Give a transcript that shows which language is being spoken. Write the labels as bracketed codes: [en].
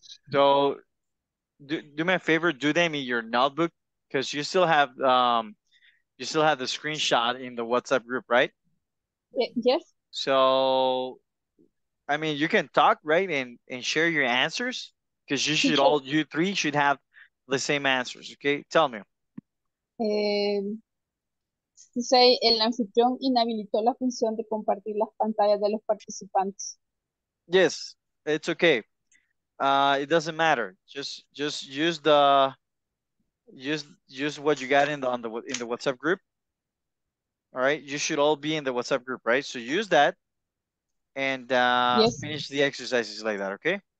[en] So do me a favor, do them in your notebook because you still have the screenshot in the WhatsApp group, right? Yes. So I mean you can talk, right, and share your answers because you should all you three should have the same answers, okay? Tell me. [es] Dice el anfitrión inhabilitó la función de compartir las pantallas de los participantes. [en] Yes, it's okay. It doesn't matter. Just use the use what you got in the WhatsApp group. All right, you should all be in the WhatsApp group, right? So use that and yes. Finish the exercises like that, okay?